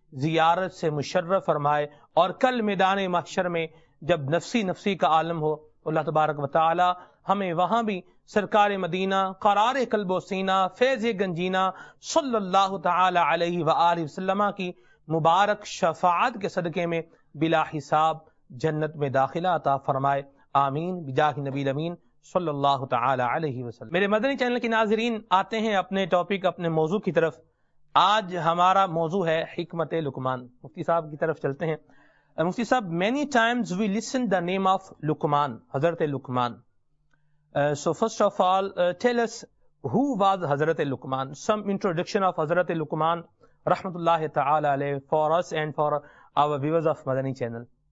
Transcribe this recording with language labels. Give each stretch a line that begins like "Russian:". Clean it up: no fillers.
Urdu: ziyarat se musharraf farmaye aur kal maidan e mahshar mein jab nafsi ka aalam ho Allah tbarak wa taala hame wahan bhi سرکار مدینہ قرار قلب و سینہ فیض گنجینہ صلی اللہ تعالی علیہ وآلہ وسلم کی مبارک شفاعت کے صدقے میں بلا حساب جنت میں داخلہ عطا فرمائے آمین بجاہ نبی الامین صلی اللہ تعالی علیہ وسلم. میرے مدنی چینل کے ناظرین آتے ہیں اپنے ٹاپک اپنے موضوع کی طرف. آج ہمارا موضوع ہے حکمت لقمان. مفتی صاحب کی طرف چلتے ہیں.
English: مفتی صاحب, many times we listen the name of Luqman, حضرت Luqman. So first of all, tell us who was Hazrat Luqman. Some introduction of Hazrat Luqman, rahmatullahi ta'ala alayh, for us and for our viewers of Madani channel.